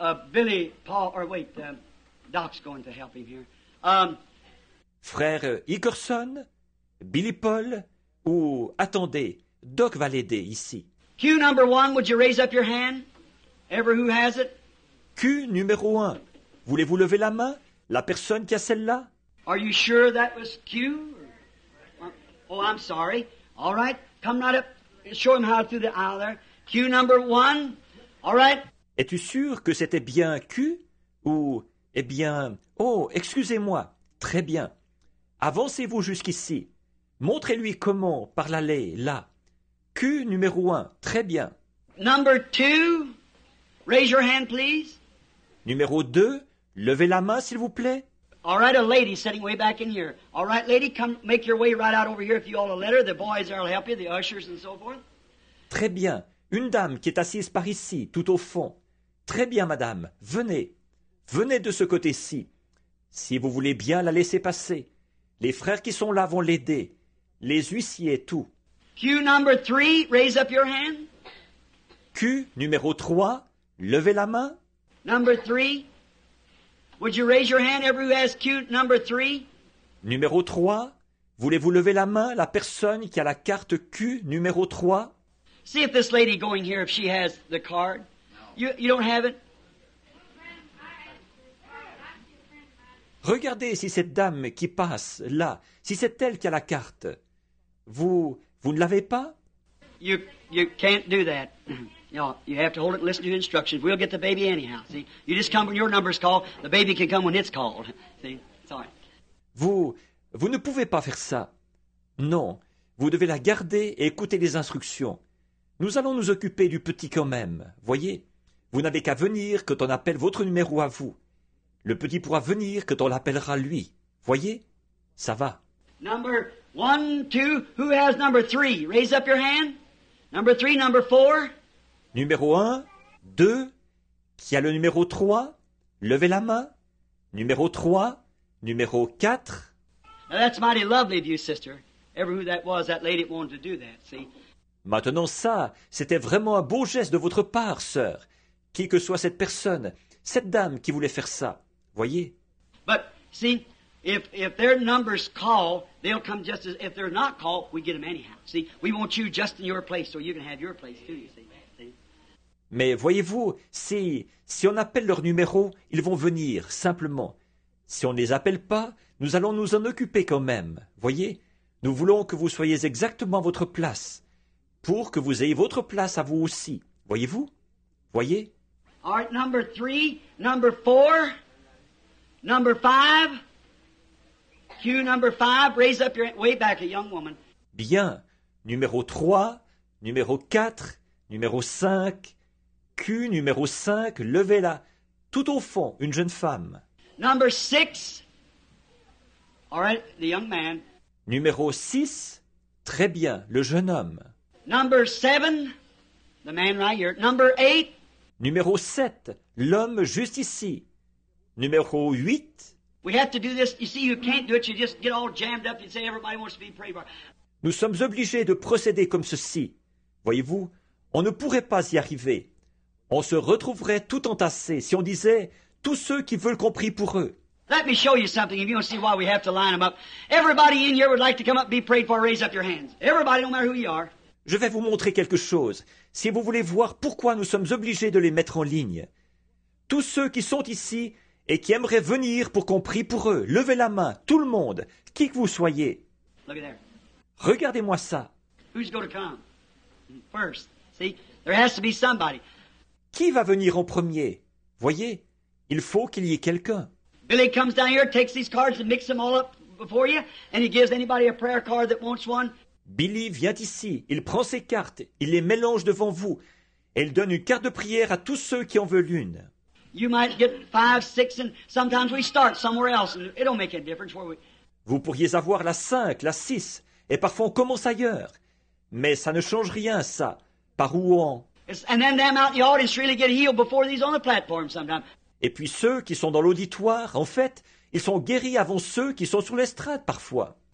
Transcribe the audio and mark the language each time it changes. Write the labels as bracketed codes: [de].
[en] Billy Paul, or wait, Doc's going to help him here. [fr] Frère Hickerson, Billy Paul, ou attendez, Doc va l'aider ici. [en] Q number one, would you raise up your hand? Ever who has it? [fr] Q numéro un, voulez-vous lever la main? La personne qui a celle-là? [en] Are you sure that was Q? Or... Oh, I'm sorry. All right. Come right up. Show him how through the aisle there. Q number one. All right. [fr] Es-tu sûr que c'était bien Q ou eh bien... Oh, excusez-moi. Très bien. Avancez-vous jusqu'ici. Montrez-lui comment par l'allée, là. Q numéro un. Très bien. [en] Number two. Raise your hand, please. [fr] Numéro deux. Levez la main, s'il vous plaît. [en] All right, a lady sitting way back in here. All right, lady, come make your way right out over here if you all a letter. The boys there will help you, the ushers and so forth. [fr] Très bien. Une dame qui est assise par ici, tout au fond. Très bien, madame. Venez. Venez de ce côté-ci. Si vous voulez bien la laisser passer. Les frères qui sont là vont l'aider. Les huissiers, tout. [en] Q number three, raise up your hand. [fr] Q numéro trois, levez la main. [en] Number three. Would you raise your hand, everyone who has Q number three? [fr] Numéro 3, voulez-vous lever la main, la personne qui a la carte Q numéro 3? [en] See if this lady going here, if she has the card. No. You don't have it? [fr] Regardez si cette dame qui passe là, si c'est elle qui a la carte. Vous ne l'avez pas? [en] You can't do that. You have to hold it and listen to instructions. We'll get the baby anyhow. See, you just come when your number's called. The baby can come when it's called. See, it's all right. [fr] Vous ne pouvez pas faire ça. Non, vous devez la garder et écouter les instructions. Nous allons nous occuper du petit quand même. Voyez, vous n'avez qu'à venir quand on appelle votre numéro à vous. Le petit pourra venir quand on l'appellera lui. Voyez, ça va. [en] Number one, two. Who has number three? Raise up your hand. Number three, number four. [fr] Numéro 1, 2, qui a le numéro 3? Levez la main. Numéro 3, numéro 4. [en] Now that's mighty lovely of you, sister. Ever who that was, that lady wanted to do that, see? [fr] Maintenant ça, c'était vraiment un beau geste de votre part, sœur. Qui que soit cette personne, cette dame qui voulait faire ça, voyez? [en] But, see, if their numbers call, they'll come just as, if they're not called, we get them anyhow, see? We want you just in your place, so you can have your place too, you see? [fr] Mais voyez-vous, si on appelle leur numéro, ils vont venir, simplement. Si on ne les appelle pas, nous allons nous en occuper quand même. Voyez, nous voulons que vous soyez exactement à votre place, pour que vous ayez votre place à vous aussi. Voyez-vous? Voyez? [en] All right, number three, number four, number five, Q number five, raise up your way back, a young woman. [fr] Bien, numéro 3, numéro 4, numéro 5... Q numéro 5, levez-la. Tout au fond, une jeune femme. [en] Number 6. All right, the young man. [fr] Numéro 6, très bien, le jeune homme. [en] Number 7, the man right here. Number 8. [fr] Numéro 7, l'homme juste ici. Numéro 8. [en] We have to do this. You see, you can't do it. You just get all jammed up. You say everybody wants to be prayed for. [fr] Nous sommes obligés de procéder comme ceci. Voyez-vous, on ne pourrait pas y arriver. On se retrouverait tout entassé si on disait tous ceux qui veulent qu'on prie pour eux. [en] Let me show you something if you don't see why we have to line them up. Everybody in here would like to come up and be prayed for, raise up your hands. Everybody, no matter who you are. [fr] Je vais vous montrer quelque chose. Si vous voulez voir pourquoi nous sommes obligés de les mettre en ligne. Tous ceux qui sont ici et qui aimeraient venir pour qu'on prie pour eux, levez la main, tout le monde, qui que vous soyez. [en] Look at there. [fr] Regardez-moi ça. [en] Who's going to come? First. See, there has to be somebody. [fr] Qui va venir en premier? Voyez, il faut qu'il y ait quelqu'un. [en] Billy comes down here, takes these cards and mixes them all up before you, and he gives anybody a prayer card that wants one. [fr] Billy vient ici, il prend ses cartes, il les mélange devant vous, et il donne une carte de prière à tous ceux qui en veulent une. [en] You might get five, six, and sometimes we start somewhere else, and it don't make a difference where we. [fr] Vous pourriez avoir la 5, la 6, et parfois on commence ailleurs, mais ça ne change rien, ça. Par où on? [en] And then them out in the audience really get healed before these on the platform sometimes. [fr] Et puis ceux qui sont dans l'auditoire, en fait, ils sont guéris avant ceux qui sont sur l'estrade parfois.